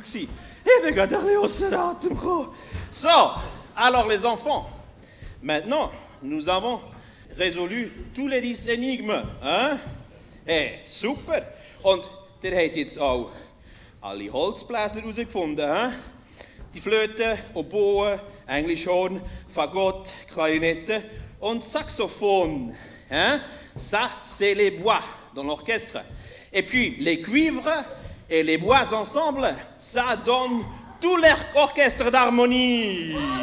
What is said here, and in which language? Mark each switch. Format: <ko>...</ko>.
<de>Ich bin gerade ein bisschen aus dem Atem gekommen.</de> <fr>So, alors les enfants, maintenant, nous avons résolu tous les 10 énigmes. Hein? Hey, super.</fr> <de>Und ihr habt jetzt auch alle Holzbläser herausgefunden. Hein? Die Flöte, Oboe, Englischhorn, Fagott, Klarinette und Saxophon. Hein?</de> <fr>Ça, c'est les bois dans l'orchestre. Et puis, les cuivres et les bois ensemble, ça donne tout l'orchestre d'harmonie.</fr>